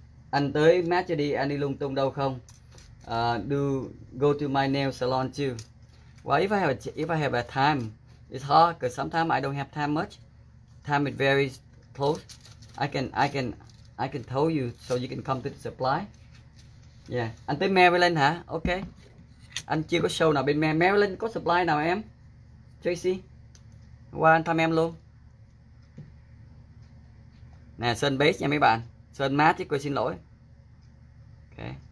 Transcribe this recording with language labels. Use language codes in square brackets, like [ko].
[vi] Anh tới matte cho đi, anh đi lung tung đâu không? [en] Do go to my nail salon too. Well, if I have a time, it's hard because sometimes I don't have time much. Time is very close. I can tell you so you can come to the supply. [vi] Yeah, anh tới Maryland hả? Ok. Anh chưa có show nào bên Maryland, có supply nào em? Tracy, qua anh thăm em luôn. Nè, sơn base nha mấy bạn. Sơn matte chứ, cô xin lỗi. Ok.